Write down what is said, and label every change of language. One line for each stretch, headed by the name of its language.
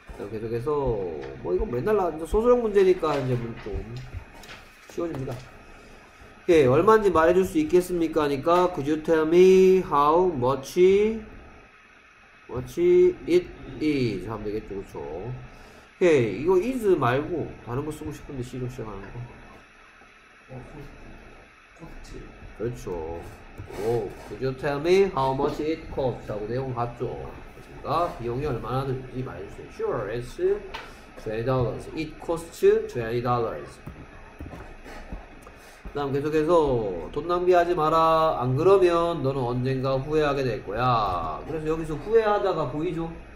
Korean: 계속해서 뭐 이거 맨날 나 소설형 문제니까 이제 좀 쉬워집니다. 예, 얼마인지 말해줄 수 있겠습니까? 하니까
English: Could you tell me how much it is?
Korean: 하면 되겠죠, 그렇죠? 예, 이거 is 말고 다른 거 쓰고 싶은데 시로 시작하는 거. 그렇죠.
English: 오, Could you tell me how much it costs?
Korean: 하고 내용 같죠? 그러니까 비용이 얼마나 들지 말해주세요.
English: Sure, it's $20. It costs $20.
Korean: 다음 계속해서 돈 낭비하지 마라. 안 그러면 너는 언젠가 후회하게 될 거야. 그래서 여기서 후회하다가 보이죠?